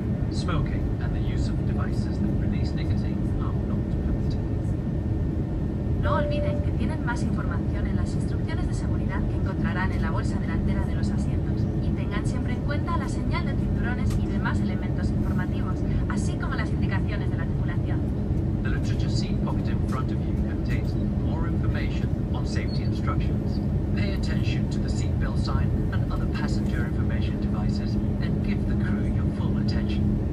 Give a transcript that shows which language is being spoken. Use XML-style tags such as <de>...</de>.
<en>smoking and the use of devices that release nicotine are not permitted.</en> <es>No olviden que tienen más información en las instrucciones de seguridad que encontrarán en la bolsa delantera de los asientos. Y tengan siempre en cuenta la señal de cinturones y demás elementos informativos, así como las indicaciones de la tripulación.</es> <en>The literature seat pocket in front of you contains more information on safety instructions. Pay attention to the seatbelt sign and other passenger information devices and give the crew your full attention.</en>